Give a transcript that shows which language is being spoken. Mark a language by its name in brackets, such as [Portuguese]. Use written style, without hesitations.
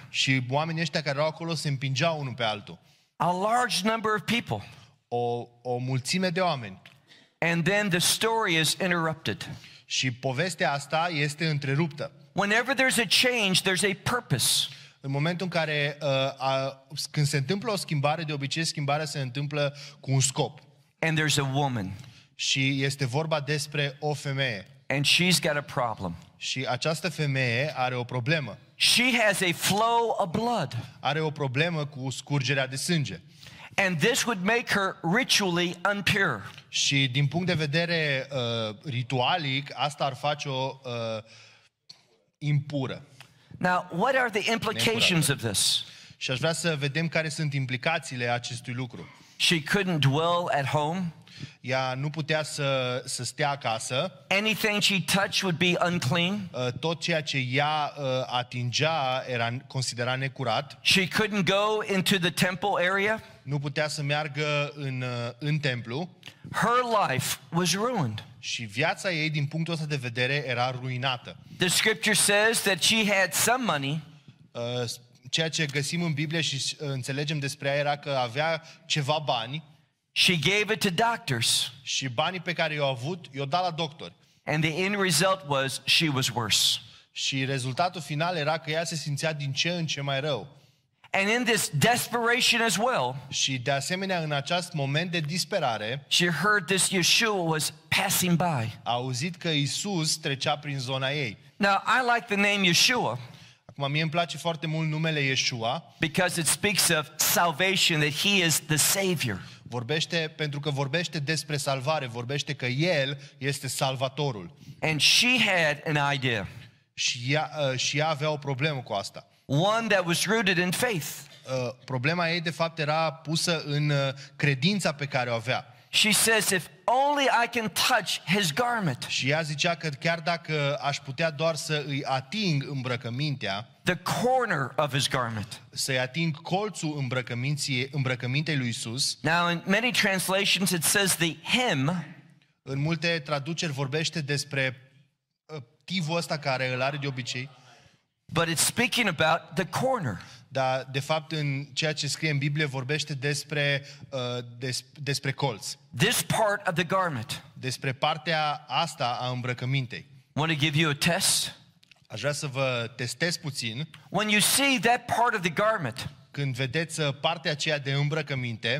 [Romanian] Și oamenii ăștia care erau acolo se împingeau unul pe altul. [English] A large number of people. [Romanian] O mulțime de oameni. [English] And then the story is interrupted. [Romanian] Și povestea asta este întreruptă. [English] Whenever there's a change, there's a purpose. [Romanian] În momentul în care când se întâmplă o schimbare, de obicei schimbarea se întâmplă cu un scop. [English] And there's a woman. [Romanian] Și este vorba despre o femeie. [English] And she's got a problem. [Romanian] Și această femeie are o problemă. [English] She has a flow of blood. [Romanian] Are o problemă cu scurgerea de sânge. [English] And this would make her ritually impure. [Romanian] Și din punct de vedere ritualic, asta ar face-o impură. [English] Now, what are the implications of this? [Romanian] Și aș vrea să vedem care sunt implicațiile acestui lucru. [English] She couldn't dwell at home. [Romanian] Ea nu putea să stea acasă. [English] Anything she touched would be unclean. [Romanian] Tot ceea ce ea atingea era considerat necurat. [English] She couldn't go into the temple area. [Romanian] Nu putea să meargă în templu. [English] Her life was ruined. [Romanian] Și viața ei din punctul ăsta de vedere era ruinată. [English] The scripture says that she had some money. [Romanian] Ceea ce găsim în Biblie și înțelegem despre ea era că avea ceva bani. [English] She gave it to doctors. [Romanian] Și banii pe care i-a avut, i-a dat la doctori. [English] And the end result was she was worse. [Romanian] Și rezultatul final era că ea se simțea din ce în ce mai rău. [English] And in this desperation as well. [Romanian] Și de asemenea în acest moment de disperare, [English] she heard this Yeshua was passing by. [Romanian] A auzit că Isus trecea prin zona ei. [English] Now I like the name Yeshua. [Romanian] Acum mie îmi place foarte mult numele Yeshua. [English] Because it speaks of salvation, that he is the savior. [Romanian] Vorbește pentru că vorbește despre salvare, vorbește că el este salvatorul. [English] And she had an idea. [Romanian] Și ea avea o problemă cu asta. [English] One that was rooted in faith. [Romanian] Problema ei de fapt era pusă în credința pe care o avea. [English] She says if only I can touch his garment. [Romanian] Și ea zicea că chiar dacă aș putea doar să îi ating îmbrăcămintea. [English] The corner of his garment. [Romanian] Să-i ating colțul îmbrăcămintei lui Isus. [English] Now in many translations it says the hem. [Romanian] În multe traduceri vorbește despre tivul ăsta care îl are de obicei. [English] But it's speaking about the corner. [Romanian] Dar de fapt în ceea ce scrie în Biblie vorbește despre despre colț. [English] This part of the garment. [Romanian] Despre partea asta a îmbrăcămintei. [English] Want to give you a test? [Romanian] Aș vrea să vă testez puțin. [English] When you see that part of the garment, [Romanian] când vedeți partea aceea de îmbrăcăminte,